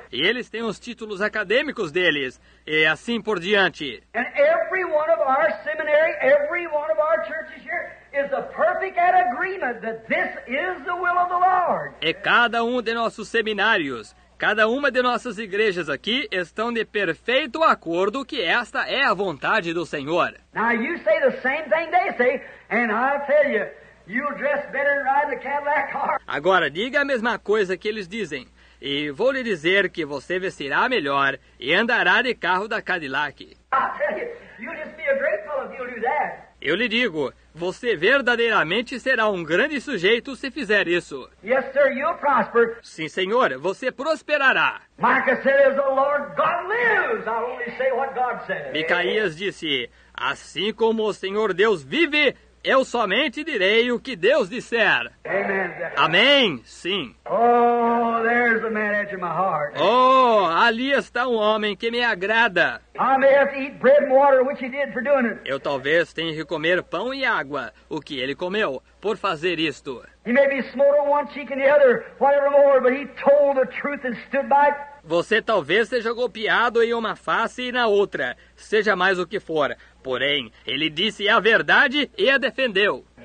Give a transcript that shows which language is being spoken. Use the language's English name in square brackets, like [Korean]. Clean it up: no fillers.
[Portuguese] E eles têm os títulos acadêmicos deles, e assim por diante. [English] And every one of our seminary, every one of our churches here is a perfect at agreement that this is the will of the Lord. [Portuguese] E cada um de nossos seminários, cada uma de nossas igrejas aqui estão de perfeito acordo que esta é a vontade do Senhor. [English] Now you say the same thing they say, and I'll tell you, You'll dress better than riding the Cadillac car. [Portuguese] Agora, diga a mesma coisa que eles dizem. E vou lhe dizer que você vestirá melhor e andará de carro da Cadillac. [English] You'll just be a great fellow if you'll do that. [Portuguese] Eu lhe digo, você verdadeiramente será um grande sujeito se fizer isso. [English] Yes, sir, you'll prosper. [Portuguese] Sim, senhor, você prosperará. [English] Micah said, as the Lord God lives, I'll only say what God says. [Portuguese] Micaías disse, assim como o Senhor Deus vive, eu somente direi o que Deus disser. [English] Amen. [Portuguese] Amém, sim. [English] Oh, there's the man after my heart. [Portuguese] Oh, ali está um homem que me agrada. [English] I may have to eat bread and water, which he did for doing it. [Portuguese] Eu talvez tenha que comer pão e água, o que ele comeu, por fazer isto. [English] He may be smote on one cheek and the other, whatever more, but he told the truth and stood by it. [Portuguese] Você talvez seja golpeado em uma face e na outra, seja mais o que for. Porém, ele disse a verdade e a defendeu.